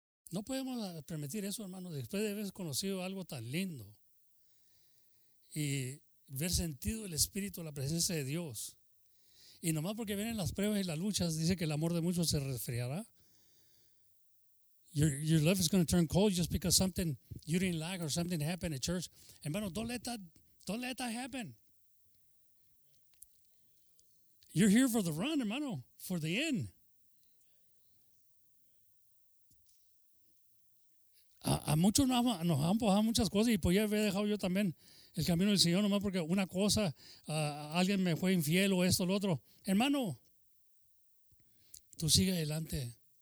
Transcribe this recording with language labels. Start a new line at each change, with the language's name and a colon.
Spanish: No podemos permitir eso, hermano, después de haber conocido algo tan lindo y haber sentido el Espíritu, la presencia de Dios. Y nomás porque vienen las pruebas y las luchas, dice que el amor de muchos se resfriará.
English: Your life is going to turn cold just because something you didn't like or something happened at church. Hermano, don't let that happen. You're here for the run, hermano, for the end.
Spanish: A muchos nos han empujado muchas cosas y podría haber dejado yo también el camino del Señor nomás porque una cosa, alguien me fue infiel o esto o lo otro. Hermano, tú sigue adelante.